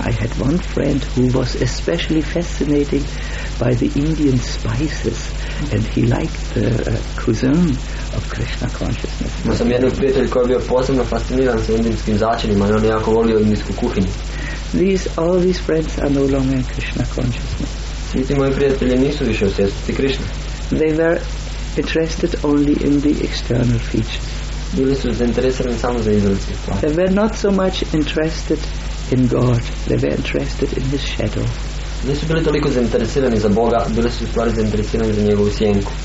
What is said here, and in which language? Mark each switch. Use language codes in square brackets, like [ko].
[en] I had one friend who was especially fascinated by the Indian spices and he liked the cuisine of Krishna consciousness. [hr] Ma sam jedan prijatelj koji je bio posebno fasciniran sa indijskim začinima i on je jako volio indijsku kuhinju. [en] All these friends are no longer in Krishna consciousness. [hr] Svi ti moji prijatelji nisu više u svjesnosti Krishna. [en] They were interested only in the external features. [hr] Bili su zainteresirani samo za izvanjske stvari. [en] They were not so much interested in God, they were interested in his shadow. [hr] Nisu bili toliko zainteresirani za Boga, bili su stvari zainteresirani za njegovu sjenku.